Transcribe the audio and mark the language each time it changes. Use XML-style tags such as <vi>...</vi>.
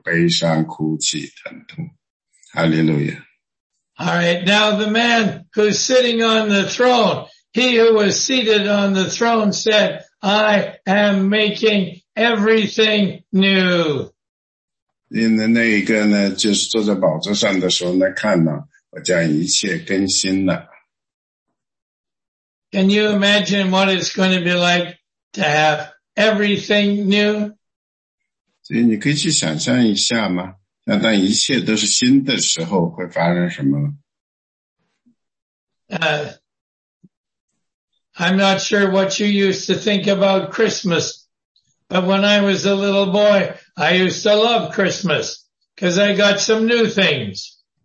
<zh>这就是绝对奇妙的，因为以前的事情都过去了，以前是什么呢？就是那些悲哀、哭泣、疼痛，所有的这些都过去了。所以呢，在天上呢，不再有这些事情，不再有悲伤、哭泣、疼痛。哈利路亚。</zh> <en>All right, now the man who's sitting on the throne, he who was seated on the throne said, I am making everything new.</en> <zh>那一个呢，就是坐在宝座上的时候呢，看呢，我将一切更新了。</zh> <en>Can you imagine what it's going to be like to have everything new?</en> <zh>所以你可以去想象一下嘛，那当一切都是新的时候，会发生什么？</zh> <en>I'm not sure what you used to think about Christmas, but when I was a little boy, I used to love Christmas because I got some new things.</en>